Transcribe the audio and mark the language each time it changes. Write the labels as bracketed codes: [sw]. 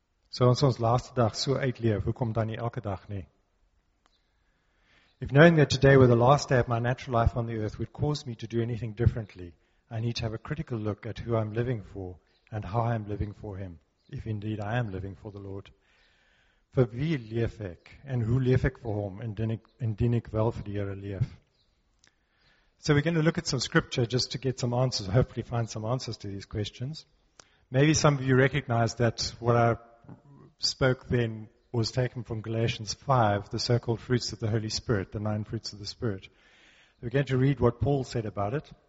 [af] So ons ons laaste dag so uitleef, hoekom dan nie elke dag nie? [en] If knowing that today were the last day of my natural life on the earth would cause me to do anything differently, I need to have a critical look at who I'm living for and how I'm living for Him, if indeed I am living for the Lord. [af] Vir wie leef ek? En hoe leef ek vir Hom? Indien ek wel vir die Here leef? [en] So we're going to look at some scripture just to get some answers, hopefully find some answers to these questions. Maybe some of you recognize that what I spoke then was taken from Galatians 5, the so-called fruits of the Holy Spirit, the nine fruits of the Spirit. We're going to read what Paul said about it.